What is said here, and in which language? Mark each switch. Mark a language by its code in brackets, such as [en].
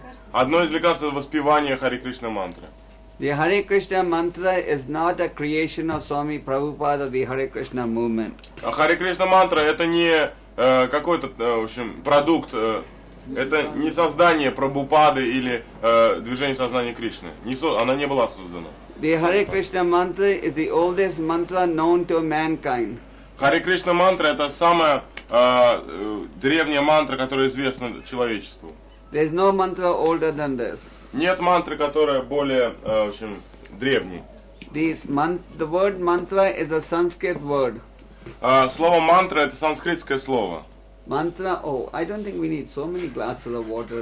[ru] Одно из лекарств — это воспевание Hare Krishna mantra. [en] The Hare Krishna mantra is not a creation of Swami Prabhupada or the Hare Krishna movement. [ru] Hare Krishna mantra — это не какой-то, в общем, продукт. Это не создание Прабхупады или движения сознания Кришны. Она не была создана. [en] The Hare Krishna mantra is the oldest mantra known to mankind. [ru] Харе Кришна мантра это самая древняя мантра, которая известна человечеству. [en] There's no mantra older than this. [ru] Нет мантры, которая более, в общем, древней. [en] The word mantra is a Sanskrit word. [ru] Слово мантра это санскритское слово. [en] Mantra. Oh, I don't think we need so many glasses of water.